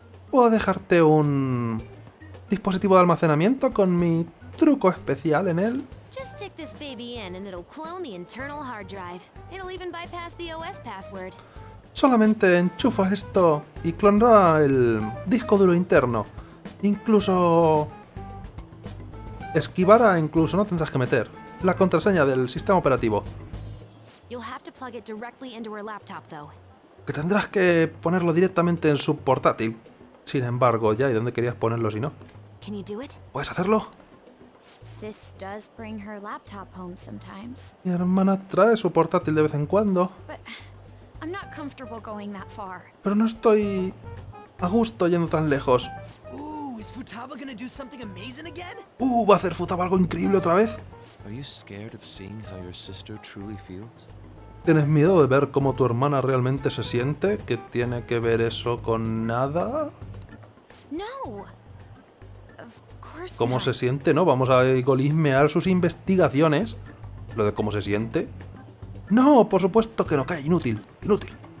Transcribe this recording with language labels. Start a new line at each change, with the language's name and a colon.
Spanish: Puedo dejarte un dispositivo de almacenamiento con mi truco especial en él.
English: Just stick this baby in and it'll clone the internal hard drive. It'll even bypass the OS password.
Spanish: Solamente enchufa esto y clonará el disco duro interno. Incluso esquivará, incluso no tendrás que meter la contraseña del sistema operativo.
English: You'll have to plug it directly into her laptop, though.
Spanish: Que tendrás que ponerlo directamente en su portátil. Sin embargo, ya, ¿y dónde querías ponerlo si no?
English: Can you do it?
Spanish: ¿Puedes hacerlo?
English: Sis does bring her laptop home sometimes.
Spanish: Mi hermana trae su portátil de vez en cuando.
English: But I'm not comfortable going that far.
Spanish: Pero no estoy a gusto yendo tan lejos.
English: Ooh, is Futaba gonna do something amazing again?
Spanish: ¿Va a hacer Futaba algo increíble otra vez?
English: Are you scared of seeing how your sister truly feels?
Spanish: ¿Tienes miedo de ver cómo tu hermana realmente se siente? ¿Qué tiene que ver eso con nada? No. ¿Cómo se siente? No, vamos a golismear sus investigaciones. Lo de cómo se siente. No, por supuesto que no, cae, inútil, inútil.